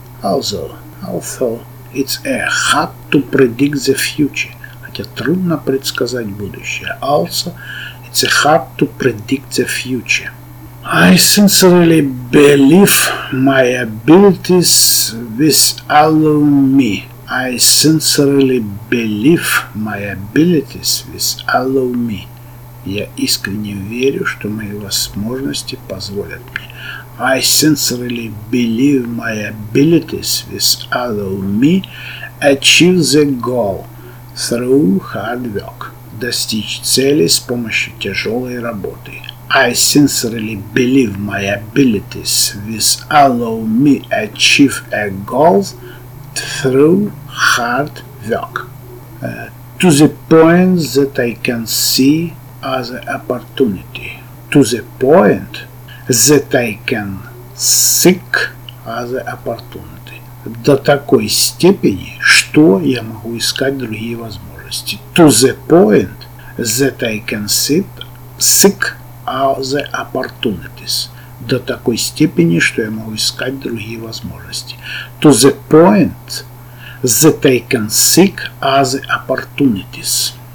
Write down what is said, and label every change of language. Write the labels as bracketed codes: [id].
[en] Also, it's a hard to predict the future. [ru] Хотя трудно предсказать будущее. [en] Also, it's a hard to predict the future. I sincerely believe my abilities with allow me. I sincerely believe my abilities with allow me. [ru] Я искренне верю, что мои возможности позволят мне. [en] I sincerely believe my abilities with allow me achieve the goal through hard work. [ru] Достичь цели с помощью тяжелой работы. [en] I sincerely believe my abilities will allow me achieve a goal through hard work. To the point that I can see as an opportunity. To the point that I can seek as an opportunity. [ru] До такой степени, что я могу искать другие возможности. [en] To the point that I can seek as an opportunity. [ru] До такой степени, что я могу искать другие возможности. [en] To the point that I can seek other opportunities.